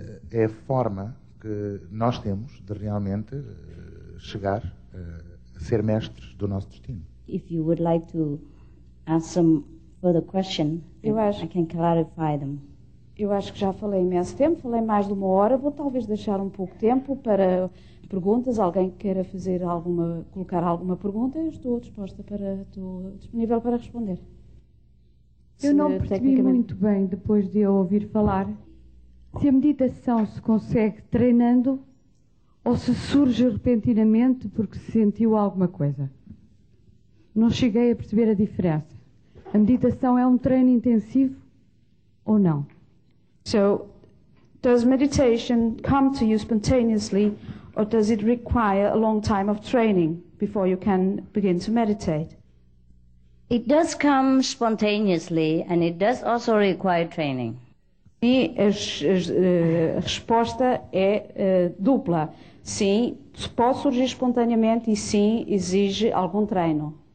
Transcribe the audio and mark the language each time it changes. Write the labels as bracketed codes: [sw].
[pt] É a forma que nós temos de realmente chegar a ser mestres do nosso destino. [en] If you would like to ask some further question, I can clarify them. [pt] Eu acho que já falei imenso tempo, falei mais de uma hora, vou talvez deixar um pouco de tempo para perguntas, alguém queira fazer alguma, colocar alguma pergunta, eu estou disposta para, estou disponível para responder. Eu não percebi muito bem, depois de eu ouvir falar, se a meditação se consegue treinando ou se surge repentinamente porque se sentiu alguma coisa. Não cheguei a perceber a diferença. A meditação é um treino intensivo ou não? [en] So, does meditation come to you spontaneously or does it require a long time of training before you can begin to meditate? It does come spontaneously and it does also require training. [pt] E a resposta é dupla. Sim, pode surgir espontaneamente e sim, exige algum treino.